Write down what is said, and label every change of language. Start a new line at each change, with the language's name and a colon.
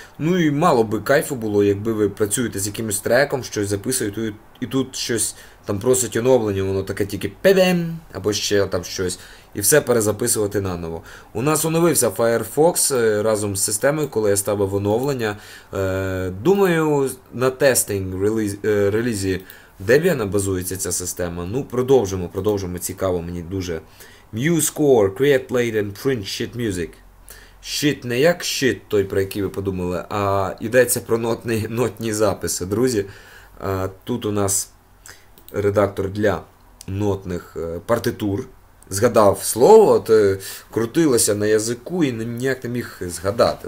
Ukrainian: Ну і мало би кайфу було, якби ви працюєте з якимось треком, щось записуєте, і тут щось там просить оновлення, воно таке тільки педем, або ще там щось, і все перезаписувати наново. У нас оновився Firefox разом з системою, коли я ставив оновлення. Думаю, на тестинг релізі Debian базується ця система. Ну, продовжимо, цікаво мені дуже.
English: MuseScore, create, play and print shit music.
Ukrainian: Shit не як shit той, про який ви подумали, а йдеться про нотні записи, друзі. Тут у нас редактор для нотних партитур. Згадав слово, то крутилося на язику і ніяк не міг згадати.